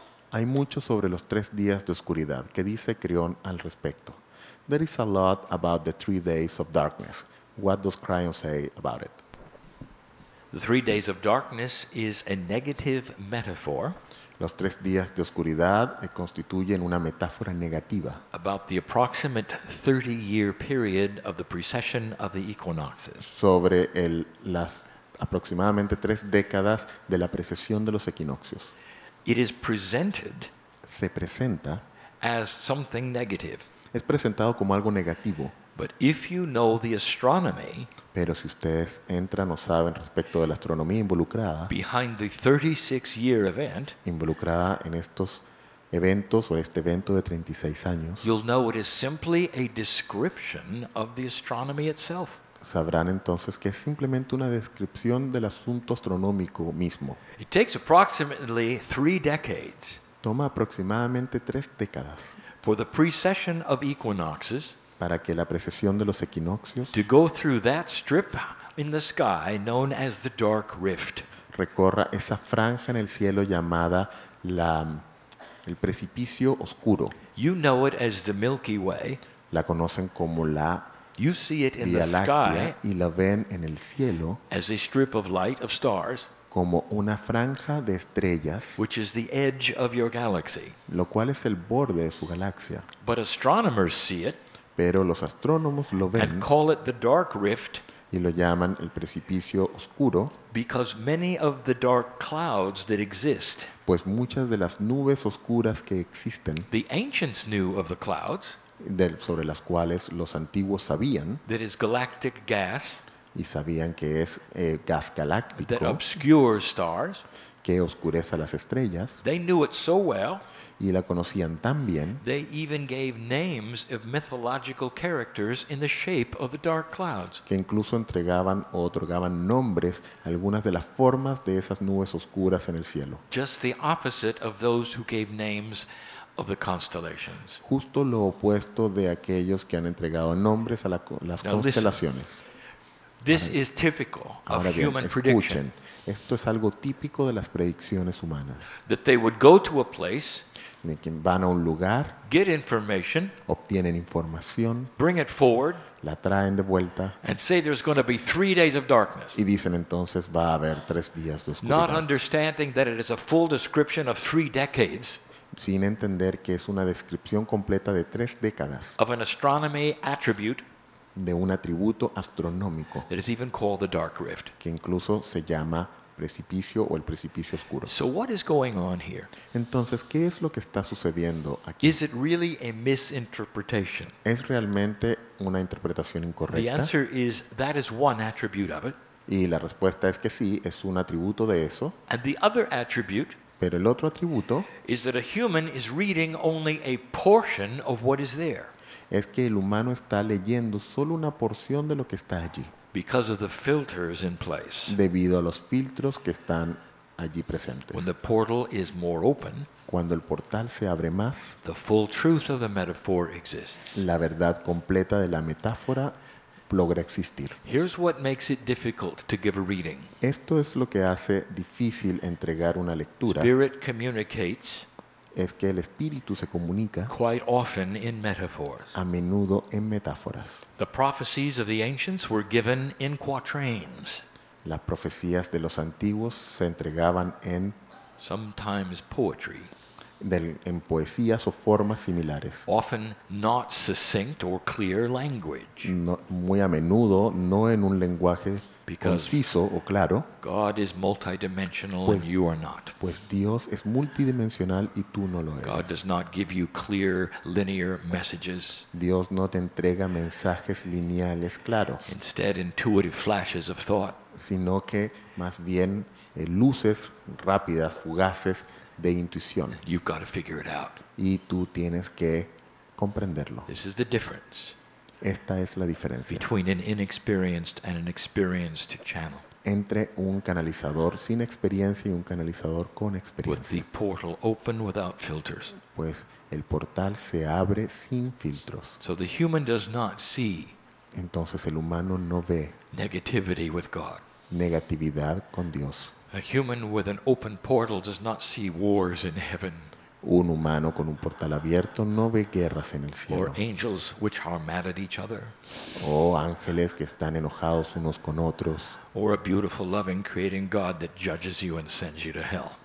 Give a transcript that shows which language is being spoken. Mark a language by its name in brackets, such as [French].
[Spanish] Hay mucho sobre los tres días de oscuridad. ¿Qué dice Crión al respecto? [English] There is a lot about the three days of darkness. What does Crión say about it? The three days of darkness is a negative metaphor. [Spanish] Los tres días de oscuridad constituyen una metáfora negativa. [English] About the approximate 30-year period of the precession of the equinoxes. [Spanish] Sobre las aproximadamente tres décadas de la precesión de los equinoccios. [English] It is presented. [Spanish] Se presenta. [English] As something negative. [Spanish] Es presentado como algo negativo. [English] But if you know the astronomy. [Spanish] Pero si ustedes entran o saben respecto de la astronomía involucrada, [English] behind the 36-year event, [Spanish] involucrada en estos eventos o este evento de 36 años, [English] you'll know it is simply a description of the astronomy itself. [Spanish] Sabrán entonces que es simplemente una descripción del asunto astronómico mismo. [English] It takes approximately 3 decades. [Spanish] Toma aproximadamente 3 décadas. [English] For the precession of equinoxes. [Spanish] Para que la precesión de los equinoccios [English] to go through that strip in the sky known as the dark rift. [Spanish] Recorra esa franja en el cielo llamada el precipicio oscuro. [English] You know it as the Milky Way. [Spanish] La conocen como la [English] you see it in [Spanish] Vía [English] the sky [Spanish] y la ven en el cielo [English] as a strip of light of stars. [Spanish] Como una franja de estrellas, [English] which is the edge of your galaxy. [Spanish] Lo cual es el borde de su galaxia. [English] But astronomers see it. [Spanish] Pero los astrónomos lo ven [English] and call it the dark rift, [Spanish] y lo llaman el precipicio oscuro [English] because many of the dark clouds that exist, [Spanish] pues muchas de las nubes oscuras que existen [English] the ancients knew of the clouds, [Spanish] sobre las cuales los antiguos sabían [English] that is galactic gas, [Spanish] y sabían que es gas galáctico [English] that obscures stars, [Spanish] que oscurece a las estrellas. [English] They knew it so well, [Spanish] y la conocían tan bien. [English] They even gave names of mythological characters in the shape of the dark clouds. [Spanish] Que incluso entregaban o otorgaban nombres a algunas de las formas de esas nubes oscuras en el cielo. [English] Just the opposite of those who gave names of the constellations. [Spanish] Justo lo opuesto de aquellos que han entregado nombres a las [English] Now [Spanish] constelaciones. [English] Listen. This [Spanish] ahora, [English] is typical of [Spanish] bien, [English] human [Spanish] escuchen. [English] Prediction. [Spanish] Esto es algo típico de las predicciones humanas. [English] That they would go to a place. [Spanish] De quien van a un lugar, [English] get information, [Spanish] obtienen información, [English] bring it forward, [Spanish] la traen de vuelta, [English] and say there's going to be 3 days of darkness. [Spanish] Y dicen entonces va a haber 3 días de oscuridad. [English] Not understanding that it is a full description of 3 decades. [Spanish] Sin entender que es una descripción completa de 3 décadas. [English] Of an astronomy attribute. [Spanish] de un atributo astronómico. [English] It is even called the dark rift. [Spanish] Que incluso se llama precipicio o el precipicio oscuro. [English] So what is going on here? [Spanish] Entonces, ¿qué es lo que está sucediendo aquí? [English] Is it really a misinterpretation? [Spanish] ¿Es realmente una interpretación incorrecta? [English] The answer is that is one attribute of it. [Spanish] Y la respuesta es que sí, es un atributo de eso. [English] And the other attribute, [Spanish] pero el otro atributo, [English] is that a human is reading only a portion of what is there. [Spanish] Es que el humano está leyendo solo una porción de lo que está allí. [English] Because of the filters in place. [Spanish] Debido a los filtros que están allí presentes. [English] When the portal is more open, [Spanish] cuando el portal se abre más, [English] the full truth of the metaphor exists. [Spanish] La verdad completa de la metáfora logra existir. [English] Here's what makes it difficult to give a reading. [Spanish] Esto es lo que hace difícil entregar una lectura. [English] Spirit communicates. [Spanish] Es que el espíritu se comunica [English] quite often in metaphors. [Spanish] A menudo en metáforas. [English] The prophecies of the ancients were given in quatrains. [Spanish] Las profecías de los antiguos se entregaban en [English] sometimes poetry. [Spanish] En poesías o formas similares. [English] Often not succinct or clear language. [Spanish] No, muy a menudo no en un lenguaje conciso o claro. [English] God is multidimensional and you are not. [Spanish] Pues Dios es multidimensional y tú no lo eres. [English] God does not give you clear linear messages. [Spanish] Dios no te entrega mensajes lineales claros. [English] Instead, intuitive flashes of thought. [Spanish] Sino que más bien luces rápidas, fugaces de intuición. [English] You've got to figure it out. [Spanish] Y tú tienes que comprenderlo. [English] This is the difference. [Spanish] Esta es la diferencia [English] between an inexperienced and an experienced channel. [Spanish] Entre un canalizador sin experiencia y un canalizador con experiencia. [English] With the portal open without filters. [Spanish] Pues el portal se abre sin filtros. [English] So the human does not see. [Spanish] Entonces el humano no ve [English] negativity with God. [Spanish] Negatividad con Dios. [English] A human with an open portal does not see wars in heaven. [Spanish] Un humano con un portal abierto no ve guerras en el cielo. [English] Or angels which are mad at each other. [Spanish] O ángeles que están enojados unos con otros. [English] Or a beautiful, loving, creating God that judges you and sends you to hell.